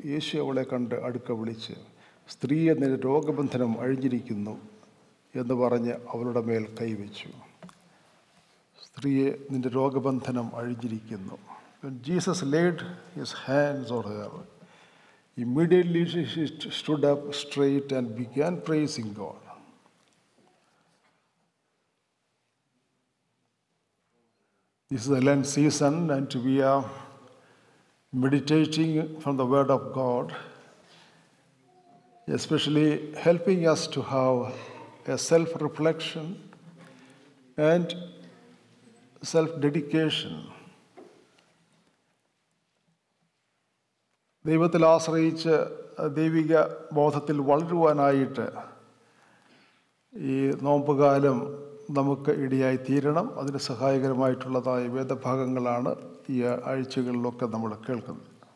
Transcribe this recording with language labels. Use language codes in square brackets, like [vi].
[ml] യേശു അവളെ കണ്ട് അടുക്ക വിളിച്ച്, സ്ത്രീ എന്നതിൻ്റെ രോഗബന്ധനം അഴിഞ്ഞിരിക്കുന്നു എന്ന് പറഞ്ഞ് അവളുടെ മേൽ കൈവച്ചു. സ്ത്രീയെ, നിൻ്റെ രോഗബന്ധനം അഴിഞ്ഞിരിക്കുന്നു. [en] Jesus laid his hands on her, immediately she stood up straight and began praising God. This is the Lent season, and we are meditating from the Word of God, especially helping us to have a self-reflection and self-dedication. [ml] ദൈവത്തിൽ ആശ്രയിച്ച് ദൈവിക ബോധത്തിൽ വളരുവാനായിട്ട് ഈ നോമ്പുകാലം നമുക്ക് ഇടയായി തീരണം. അതിന് സഹായകരമായിട്ടുള്ളതായ വേദഭാഗങ്ങളാണ് ഈ ആഴ്ചകളിലൊക്കെ നമ്മൾ കേൾക്കുന്നത്.